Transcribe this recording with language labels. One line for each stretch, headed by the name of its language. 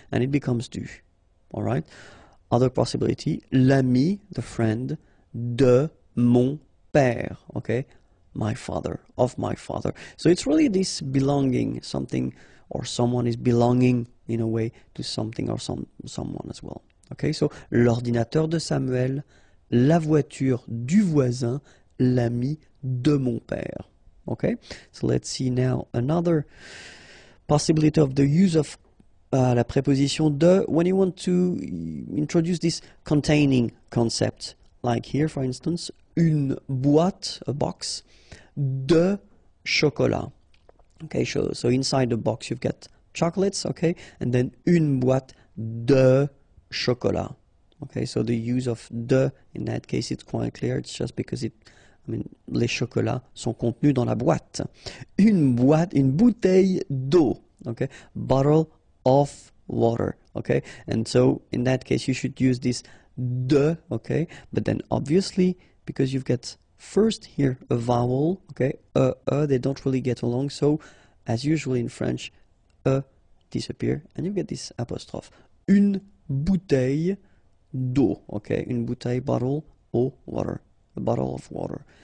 English: And it becomes du, all right? Other possibility, l'ami, the friend,
French: de mon père,
English: okay, my father, of my father. So it's really this belonging, something or someone is belonging in a way to something or someone as well. Okay, so
French: l'ordinateur de Samuel, la voiture du voisin, l'ami de mon père.
English: Okay, so let's see now another possibility of the use of la préposition de when you want to introduce this containing concept. Like here, for instance,
French: une boîte,
English: a box, de chocolat. Okay, so inside the box you've got chocolates, okay, and then
French: une boîte de chocolat.
English: Okay, so the use of de in that case it's quite clear. It's just because
French: les chocolats sont contenus dans la boîte. Une bouteille d'eau. Okay, bottle of water.
English: Okay, and so in that case you should use this de. Okay, but then obviously because you've got first here a vowel. Okay, they don't really get along. So as usual in French, disappear and you get this apostrophe.
French: Une bouteille d'eau,
English: okay, une bouteille, bottle, eau, water, a bottle of water.